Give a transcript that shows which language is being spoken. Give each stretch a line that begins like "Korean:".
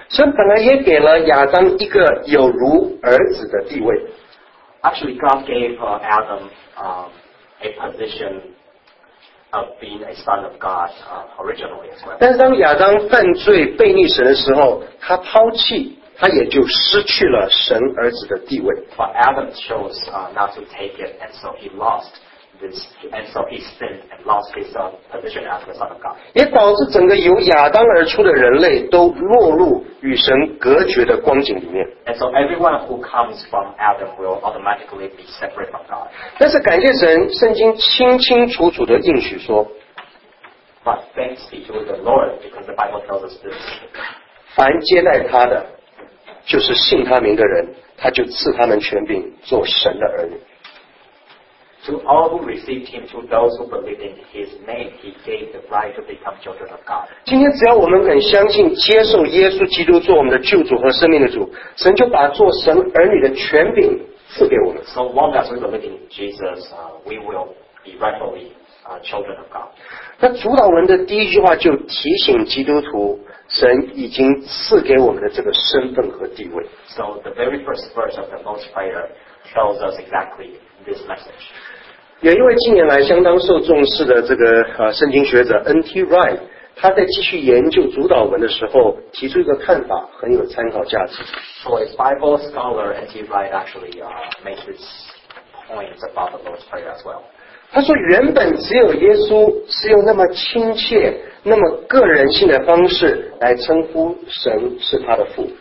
Chinese: 神本来也给了亚当一个有如儿子的地位。
English: Actually, God gave Adam a position. Of being a son of God, originally as well.
Chinese: 但是当亚当犯罪悖逆神的时候，他抛弃，他也就失去了神儿子的地位。
English: But Adam chose not to take it, and so he lost this, and so he sinned and lost his position as the son of God.
Chinese: 也导致整个由亚当而出的人类都落入与神隔绝的光景里面。
English: And so everyone who comes from Adam will automatically be separate from God.
Chinese: 但是感谢神，圣经清清楚楚的应许说
English: But thanks be to the Lord, because the Bible tells us this.
Chinese: 凡接待他的，就是信他名的人，他就赐他们权柄做神的儿女。
English: To all who received him, to those who believed in his name, he gave the right to become children of God.
Chinese: 今天只要我们很相信、接受耶稣基督做我们的救主和生命的主，神就把做神儿女的权柄赐给我们。
English: So long as we believe in Jesus, we will be rightfully children of God.
Chinese: 那主导文的第一句话就提醒基督徒，神已经赐给我们的这个身份和地位。
English: So the very first verse of the Most High tells us exactly. This message.
Chinese: 有一位近年来相当受重视的这个圣经学者 N.T. Wright， 他在继续研究主导文的时候，提出一个看法，很有参考价值。
English: So a Bible scholar N.T. Wright actually makes this point about the Lord's Prayer as well.
Chinese: 他说，原本只有耶稣是用那么亲切、那么个人性的方式来称呼神是他的父。